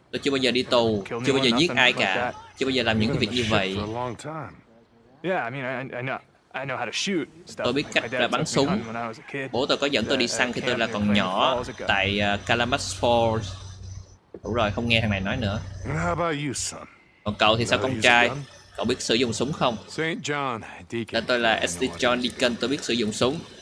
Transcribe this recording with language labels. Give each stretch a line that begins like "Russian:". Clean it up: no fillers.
Vietnamese: Tôi chưa bao giờ đi tù, chưa bao giờ giết ai cả, chưa bao giờ làm những cái việc như vậy.
English: Yeah, I mean, I know how to shoot stuff.
Vietnamese: Tôi biết cách là bắn súng. Bố tôi có dẫn tôi đi săn khi tôi là còn nhỏ tại Calamus Falls. Đủ rồi, không nghe thằng này nói nữa.
English: How about you, son?
Vietnamese: Còn cậu thì sao, con trai? Cậu biết sử dụng súng không?
English: Saint John Deacon.
Vietnamese: Tên tôi là St. John Deacon. Tôi biết sử dụng súng.